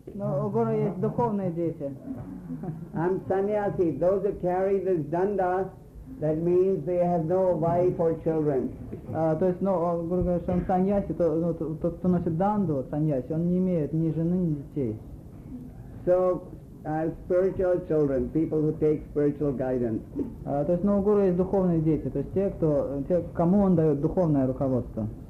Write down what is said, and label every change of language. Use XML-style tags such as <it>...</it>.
<ru>Ну, у Гуру есть духовные дети.</ru> <en>I'm sannyasi. Those who carry this danda, that means they have no wife or children.</en> <ru>То есть, ну, Гуру говорит, что он саньяси, тот, кто носит данду, саньяси, он не имеет ни жены, ни детей.</ru> <en>So, spiritual children, people who take spiritual guidance.</en> <ru>То есть, ну, у Гуру есть духовные дети, то есть те, кому он дает духовное руководство.</ru>